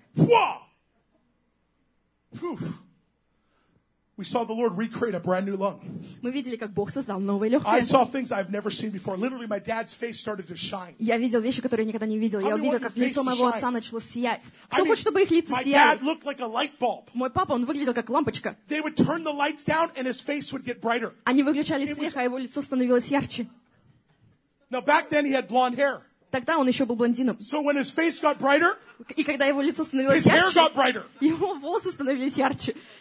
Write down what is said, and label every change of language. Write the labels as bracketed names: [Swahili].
[English] Whoa. Oof. We saw the Lord recreate a brand new lung. [Russian] Мы видели, как Бог создал новые легкие. [English] I saw things I've never seen before. Literally, my dad's face started to shine. [Russian] Я видел вещи, которые никогда не видел. Я увидел, как лицо моего отца начало сиять. Кто хочет, чтобы их лица сияли? [English] My dad looked like a light bulb. [Russian] Мой папа, он выглядел как лампочка. [English] They would turn the lights down, and his face would get brighter. [Russian] Они выключали свет, а его лицо становилось ярче. [English] Now back then he had blonde hair. [Russian] Тогда он еще был блондином. [English] So when his face got brighter, [Russian] и когда его лицо становилось ярче, [English] hair got brighter. [Russian] Его волосы становились ярче.